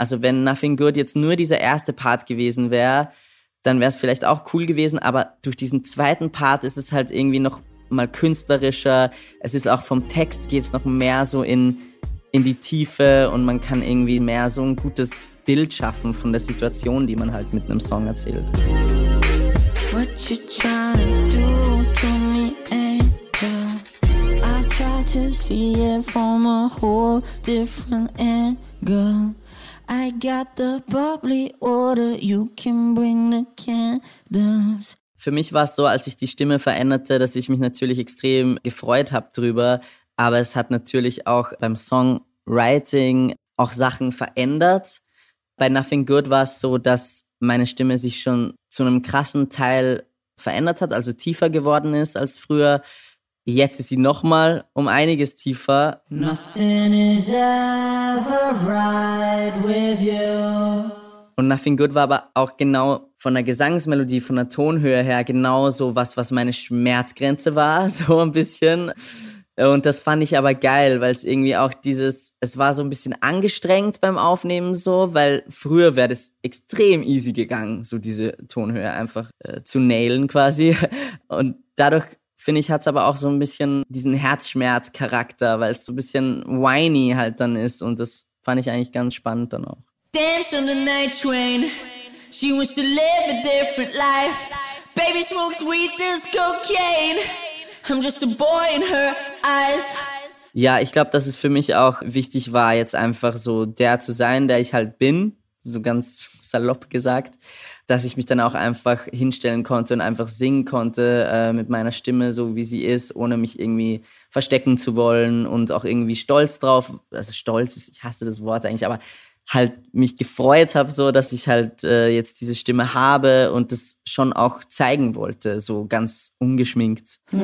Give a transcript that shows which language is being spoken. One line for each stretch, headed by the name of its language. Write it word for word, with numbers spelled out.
German: Also wenn Nothing Good jetzt nur dieser erste Part gewesen wäre, dann wäre es vielleicht auch cool gewesen, aber durch diesen zweiten Part ist es halt irgendwie noch mal künstlerischer. Es ist auch vom Text geht es noch mehr so in, in die Tiefe, und man kann irgendwie mehr so ein gutes Bild schaffen von der Situation, die man halt mit einem Song erzählt.
English: What you trying to do to me, angel? I try to see it from a whole different end. Girl, I got the bubbly order, you can bring the candles.
German: Für mich war es so, als ich die Stimme veränderte, dass ich mich natürlich extrem gefreut habe drüber, aber es hat natürlich auch beim Songwriting auch Sachen verändert. Bei Nothing Good war es so, dass meine Stimme sich schon zu einem krassen Teil verändert hat, also tiefer geworden ist als früher. Jetzt ist sie nochmal um einiges tiefer.
English: Nothing is ever right with you.
German: Und Nothing Good war aber auch genau von der Gesangsmelodie, von der Tonhöhe her, genau so was, was meine Schmerzgrenze war, so ein bisschen. Und das fand ich aber geil, weil es irgendwie auch dieses, es war so ein bisschen angestrengt beim Aufnehmen so, weil früher wäre das extrem easy gegangen, so diese Tonhöhe einfach äh, zu nailen quasi. Und dadurch, finde ich, hat es aber auch so ein bisschen diesen Herzschmerz-Charakter, weil es so ein bisschen whiny halt dann ist. Und das fand ich eigentlich ganz spannend dann auch.
English: Dance on the night train. She wants to live a different life. Baby smokes weed, this cocaine. I'm just a boy in her eyes.
German: Ja, ich glaube, dass es für mich auch wichtig war, jetzt einfach so der zu sein, der ich halt bin, so ganz salopp gesagt, dass ich mich dann auch einfach hinstellen konnte und einfach singen konnte äh, mit meiner Stimme, so wie sie ist, ohne mich irgendwie verstecken zu wollen und auch irgendwie stolz drauf, also stolz ist, ich hasse das Wort eigentlich, aber halt mich gefreut habe, so dass ich halt äh, jetzt diese Stimme habe und das schon auch zeigen wollte, so ganz ungeschminkt.